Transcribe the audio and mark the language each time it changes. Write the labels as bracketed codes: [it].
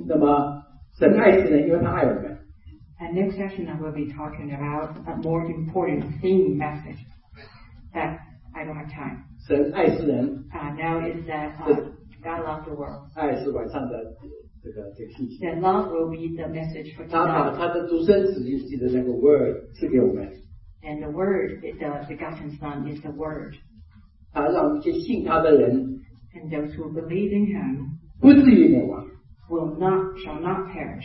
[zh] 就是说我们信神有神没有神这个概念它跟人的关系是什么，现在就讲。那么神爱世人，因为他爱我们。 [en] And next session I will be talking about a more important theme message that I don't have time. [zh] 神爱世人。 [en] Now is that God loves the world. [zh] 爱是晚上的这个信息。 [en] And love will be the message for tonight. [zh] 他把他的独生子就记得那个 word 赐给我们。 [en] And the word, the begotten son is the word. [zh] 他让这些信他的人 [en] And those who believe in him [zh] 不至于灭亡 [en] will not, shall not perish.